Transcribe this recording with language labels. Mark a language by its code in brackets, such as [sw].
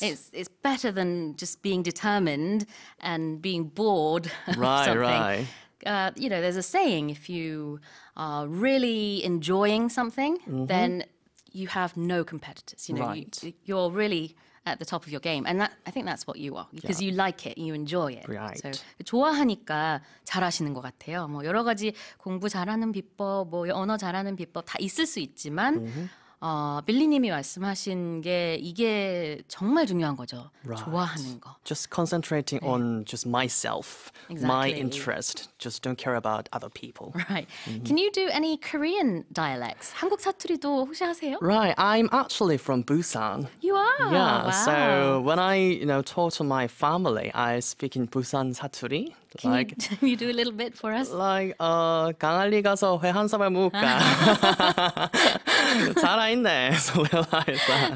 [en] It's better than just being determined and being bored. Right, right. You know, there's a saying, if you are really enjoying something, then you have no competitors. You know, you're really at the top of your game. And that, I think that's what you are, because you like it, you enjoy it. Right. [ko] So, 좋아하니까 잘하시는 것 같아요. 뭐 여러 가지 공부 잘하는 비법, 뭐 언어 잘하는 비법 다 있을 수 있지만 빌리님이 말씀하신 게 이게 정말 중요한 거죠. [en] Right. [ko] 좋아하는 거. [en] Just concentrating on just myself, my interest. Just don't care about other people. Right. Can you do any Korean dialects? [ko] 한국 사투리도 혹시 하세요? [en] Right. I'm actually from Busan. You are? Yeah. Wow. So when I, you know, talk to my family, I speak in Busan 사투리. Can you do a little bit for us? [ko] Like, 강아리 가서 회 한 사발 먹을까? 살아있네.